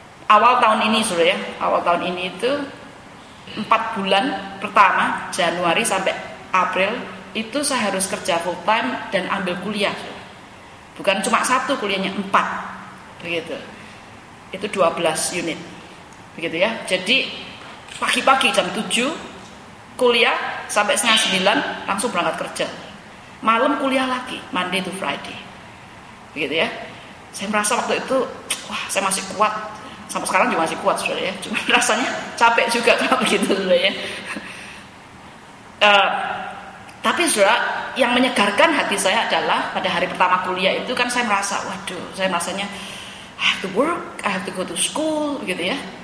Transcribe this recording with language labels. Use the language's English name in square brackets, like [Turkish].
[Indonesian] Awal tahun ini suruh ya, awal tahun ini itu 4 bulan pertama, Januari sampai April, itu saya harus kerja full time dan ambil kuliah. Bukan cuma satu kuliahnya, 4. Begitu. Itu 12 unit. Begitu ya. Jadi pagi-pagi jam 7 kuliah sampai 9 langsung berangkat kerja. Malam kuliah lagi, [English] Monday to Friday. [Indonesian] Begitu ya. Saya merasa waktu itu wah, saya masih kuat. Sampai sekarang juga masih kuat sebenarnya ya. Cuma rasanya capek juga kalau begitu sebenarnya. Tapi sudah yang menyegarkan hati saya adalah pada hari pertama kuliah itu kan saya merasa, waduh, saya merasanya [English] I have to work, I have to go to school, [Indonesian] gitu ya.